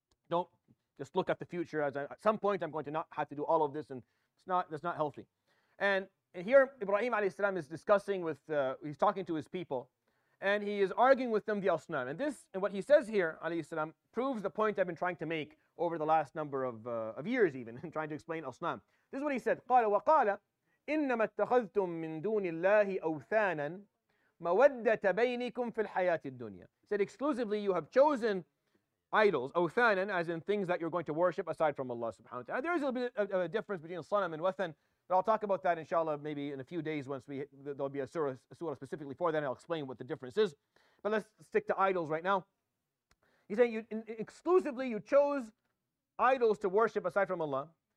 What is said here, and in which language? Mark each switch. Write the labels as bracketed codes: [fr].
[en] Don't just look at the future at some point I'm going to not have to do all of this, and that's not healthy. And here Ibrahim alayhi salam is discussing with he's talking to his people, and he is arguing with them the asnam. And what he says here alayhi salam proves the point I've been trying to make over the last number of years, even in trying to explain asnam. This is what he said. Qala wa qala. [ar] إنما اتخذتم من دون الله أوثانا مودة بينكم في الحياة الدنيا. [en] Said exclusively you have chosen idols, أوثانا, as in things that you're going to worship aside from Allah subhanahu wa ta'ala. There is a bit of a difference between sanam and wathan, but I'll talk about that inshallah maybe in a few days once there'll be a surah specifically for that, and I'll explain what the difference is. But let's stick to idols right now. He's saying exclusively you chose idols to worship aside from Allah.